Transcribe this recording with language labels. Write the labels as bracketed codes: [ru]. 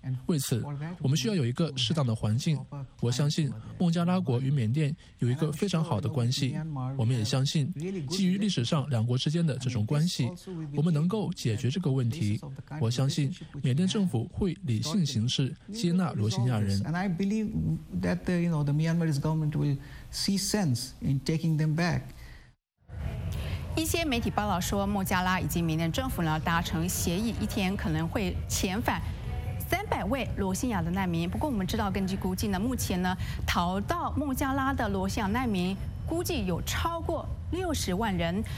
[zh] 为此，我们需要有一个适当的环境。我相信孟加拉国与缅甸有一个非常好的关系。我们也相信，基于历史上两国之间的这种关系，我们能够解决这个问题。我相信缅甸政府会理性行事，接纳罗兴亚人。 [en] And I believe that the, you know, the Myanmarese government will see sense in taking them back. [zh] 一些媒体报道说，孟加拉以及缅甸政府呢达成协议，一天可能会遣返 300位罗兴亚的难民。不过我们知道，根据估计呢，目前呢逃到孟加拉的罗兴亚难民估计有超过60万人。